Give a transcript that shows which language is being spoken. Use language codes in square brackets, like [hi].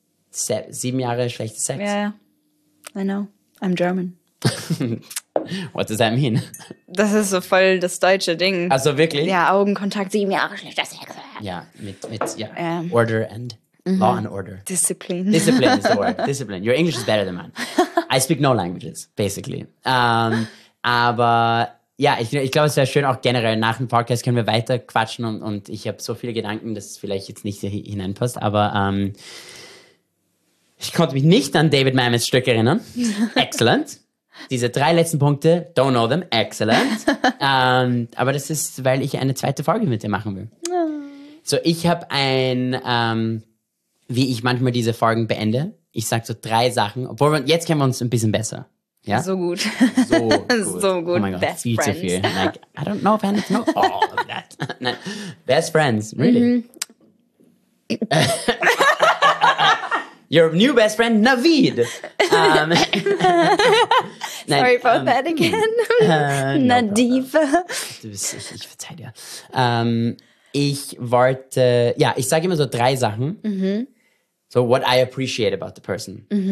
[de] 7 Jahre schlechtes Sex. [en] Ja. I know. I'm German. What does that mean? [de] Das ist so voll das deutsche Ding. Also wirklich? Ja, Augenkontakt, 7 Jahre schlechter Sex. [en] Ja, mit Order and Law and Order. Discipline. Discipline is the word. Discipline. Your English is better than mine. I speak no languages, basically. [de] Aber... Ja, ich glaube, es wäre schön, auch generell nach dem Podcast können wir weiter quatschen und ich habe so viele Gedanken, dass es vielleicht jetzt nicht hineinpasst, aber ich konnte mich nicht an David Mamets Stück erinnern. Excellent. Diese 3 letzten Punkte, [en] don't know them, excellent. [de] Aber das ist, weil ich eine 2. Folge mit dir machen will. So, ich habe ein, wie ich manchmal diese Folgen beende, ich sage so 3 Sachen, obwohl jetzt kennen wir uns ein bisschen besser. Ja? So gut. So gut. So gut. Oh mein Gott, [en] best [de] viel [en] friends. [de] Zu viel. [en] Like, I don't know if I need to know all of that. Nein. Best friends, really. Your new best friend, Navid. Sorry for that again. Nadeve. [de] Ich verzeih dir. Ich wollte, ja, ich sage immer so 3 Sachen. [en] So, what I appreciate about the person.